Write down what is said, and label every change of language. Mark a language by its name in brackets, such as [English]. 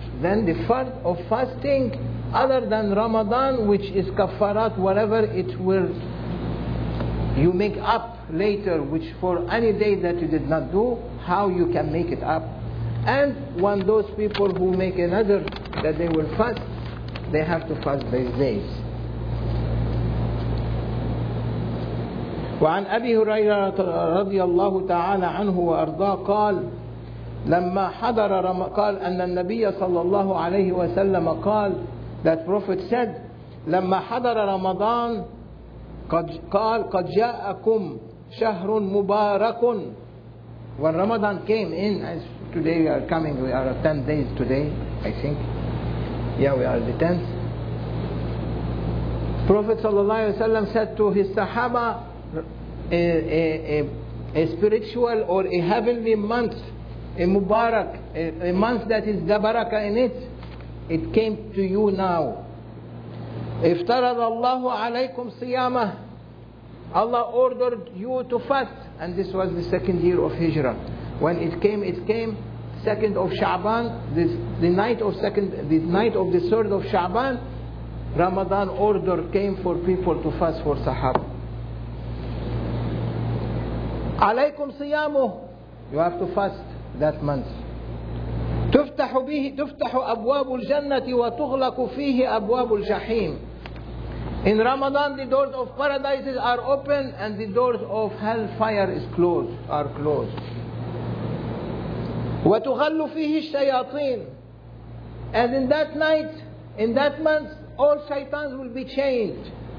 [English] Then the fard of fasting other than Ramadan, which is Kaffarat, whatever it will, you make up later, which for any day that you did not do, how you can make it up. And when those people who make another that they will fast, they have to fast these days. [Arabic] وعن أبي هريرة رضي الله تعالى عنه وأرضاه قال لما حضر رمضان, قال أن النبي صلى الله عليه وسلم قال, [English] that prophet said, [Arabic] لما حضر رمضان قال قد جاءكم شهر مبارك. [English] When Ramadan came in, as today we are coming, we are 10 days today, I think. Yeah, we are the 10th. Prophet sallallahu alaihi wasallam said to his Sahaba, a spiritual or a heavenly month, a Mubarak, a month that is the barakah in it, it came to you now. [Arabic] Iftarad Allahu alaykum siyamah. [English] Allah ordered you to fast. and this was the second year of Hijrah. When it came 2nd of Sha'ban, the night of the 3rd of Sha'ban, Ramadan order came for people to fast for Sahaba. [Arabic] عليكم صيامه, [English] you have to fast that month. [Arabic] تفتح أبواب الجنة وتغلق فيه أبواب الجحيم. [English] In Ramadan, the doors of paradise are open and the doors of hellfire are closed. [Arabic] وتغل فيه الشياطين. [English] And in that night, in that month, all shaitans will be chained.